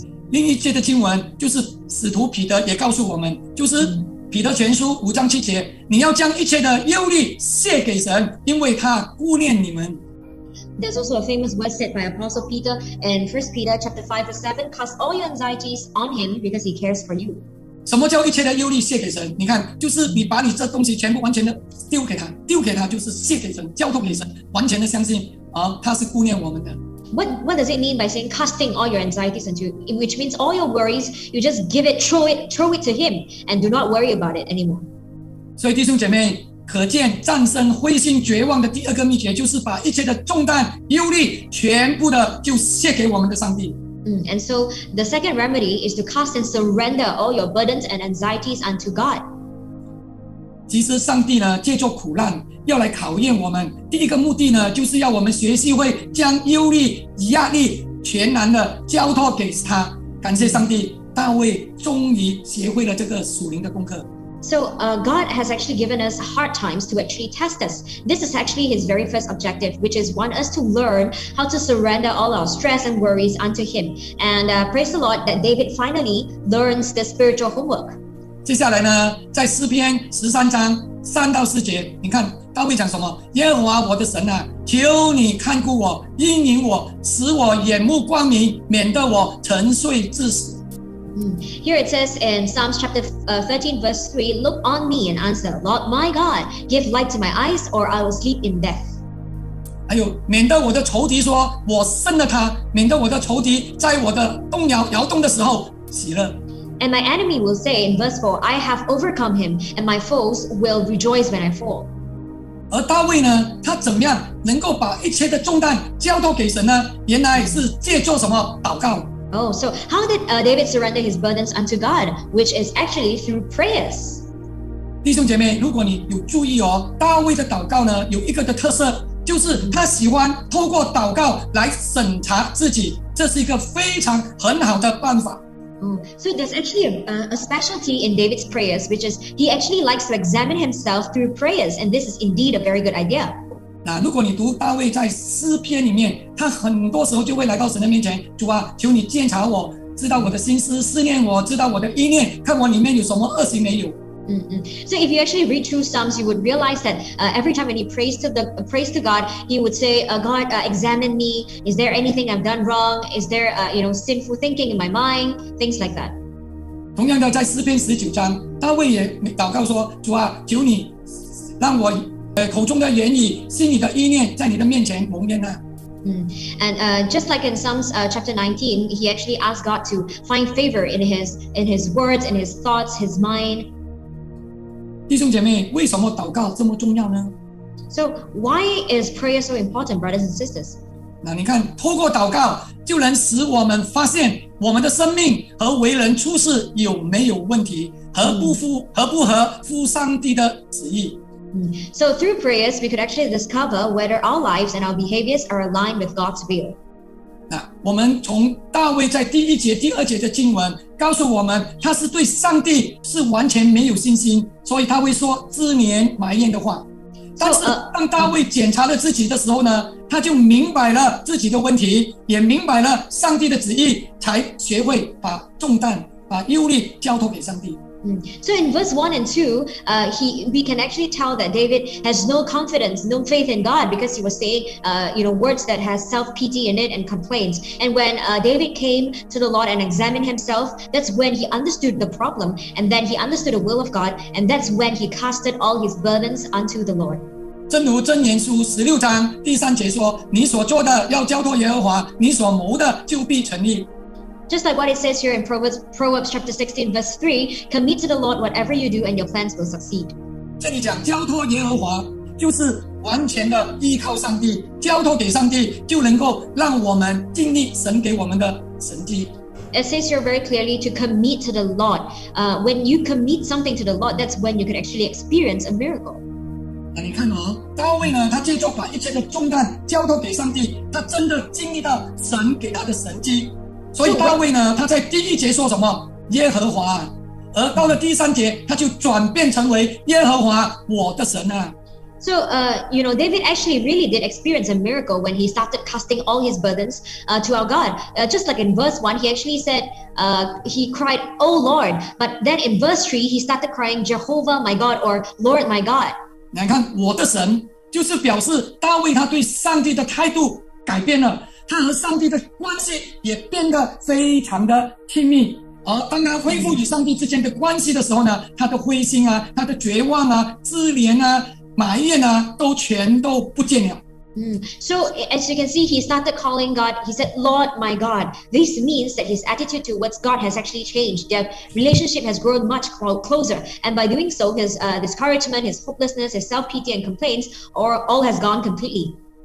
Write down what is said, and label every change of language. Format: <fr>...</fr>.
<zh>另一节的经文就是使徒彼得也告诉我们，就是彼得前书五章七节，你要将一切的忧虑卸给神，因为他顾念你们。</zh> <en>There's also a famous verse said by Apostle Peter in 1 Peter chapter 5 verse 7, "Cast all your anxieties on him because he cares for you."</en> <zh>什么叫一切的忧虑卸给神？你看，就是你把你这东西全部完全的丢给他，丢给他就是卸给神，交托给神，完全的相信他是顾念我们的。</zh> <en>What does it mean by saying casting all your anxieties onto him? Which means all your worries, you just give it, throw it to him, and do not worry about it anymore.</en> <zh>所以弟兄姐妹，可见战胜灰心绝望的第二个秘诀，就是把一切的重担忧虑全部的就卸给我们的上帝。</zh> <en>And so the second remedy is to cast and surrender all your burdens and anxieties unto God.</en> <zh>其实上帝呢，借着苦难要来考验我们，第一个目的呢，就是要我们学习会将忧虑、压力全然的交托给他。感谢上帝，大卫终于学会了这个属灵的功课。</zh> <en>So, God has actually given us hard times to actually test us. This is actually His very first objective, which is want us to learn how to surrender all our stress and worries unto Him. And praise the Lord that David finally learns the spiritual homework.</en> <zh>接下来呢，在诗篇十三章三到四节，你看大卫讲什么？耶和华我的神啊，求你看顾我，引领我，使我眼目光明，免得我沉睡至死。</zh> <en>Here it says in Psalms chapter 13 verse 3, Look on me and answer, Lord my God, give light to my eyes or I will sleep in death.</en> <zh>还有免得我的仇敌说我胜了他，免得我的仇敌在我的动摇摇动的时候喜乐。</zh> <en>And my enemy will say in verse 4, I have overcome him and my foes will rejoice when I fall.</en> <zh>而大卫呢，他怎么样能够把一切的重担交托给神呢？原来是借助什么祷告。</zh> <en>Oh, so how did David surrender his burdens unto God, which is actually through prayers?</en> <zh>弟兄姐妹，如果你有注意哦，大卫的祷告呢，有一个的特色，就是他喜欢透过祷告来审查自己，这是一个非常很好的办法。</zh> <en>So there's actually a specialty in David's prayers, which is he actually likes to examine himself through prayers, and this is indeed a very good idea.</en> <zh>那如果你读大卫在诗篇里面，他很多时候就会来到神的面前，主啊，求你鉴察我，知道我的心思，思念我，知道我的意念，看我里面有什么恶行没有。</zh> <en>So if you actually read through Psalms, you would realize that every time when he prays to God, he would say, God, examine me. Is there anything I've done wrong? Is there, sinful thinking in my mind? Things like that.</en> <zh>同样的，在诗篇十九章，大卫也祷告说，主啊，求你让我口中的言语，心里的意念，在你的面前蒙恩啊。</zh> <en>And just like in Psalms chapter 19, he actually asked God to find favor in his words, in his thoughts, his mind.</en> <zh>弟兄姐妹，为什么祷告这么重要呢？</zh> <en>So why is prayer so important, brothers and sisters?</en> <zh>那你看，透过祷告就能使我们发现我们的生命和为人处事有没有问题，合不合乎上帝的旨意。</zh> <en>So through prayers, we could actually discover whether our lives and our behaviors are aligned with God's will.</en> <zh>那我们从大卫在第一节、第二节的经文告诉我们，他是对上帝是完全没有信心，所以他会说自怜埋怨的话。但是当大卫检查了自己的时候呢，他就明白了自己的问题，也明白了上帝的旨意，才学会把重担、把忧虑交托给上帝。</zh> <en>So in verse 1 and 2, we can actually tell that David has no confidence, no faith in God because he was saying words that has self-pity in it and complaints. And when David came to the Lord and examined himself, that's when he understood the problem and then he understood the will of God and that's when he casted all his burdens unto the Lord.</en> <zh>正如箴言书十六章第三节说，你所做的要交托耶和华，你所谋的就必成立。</zh> <en>Just like what it says here in Proverbs chapter 16 verse 3, commit to the Lord whatever you do and your plans will succeed.</en> <zh>这里讲交托耶和华，就是完全的依靠上帝，交托给上帝就能够让我们经历神给我们的神迹。</zh> <en>It says here very clearly to commit to the Lord. When you commit something to the Lord, that's when you can actually experience a miracle.</en> <zh>那你看哦，大卫呢，他借着把一切的重担交托给上帝，他真的经历到神给他的神迹。所以大卫呢，他在第一节说什么？耶和华，而到了第三节，他就转变成为耶和华我的神啊。</zh> <en>So, David actually really did experience a miracle when he started casting all his burdens to our God. Just like in verse 1, he actually said, he cried, "O Lord." But then in verse 3, he started crying, "Jehovah my God" or "Lord my God."</en> <zh>你看，我的神就是表示大卫他对上帝的态度改变了。他和上帝的关系也变得非常的亲密，而当他恢复与上帝之间的关系的时候呢，他的灰心啊，他的绝望啊，自怜啊，埋怨啊，都全都不见了。</zh> <en>So as you can see, he started calling God. He said, Lord, my God. This means that his attitude towards God has actually changed. Their relationship has grown much closer. And by doing so, his discouragement, his hopelessness, his self-pity and complaints all has gone completely.</en>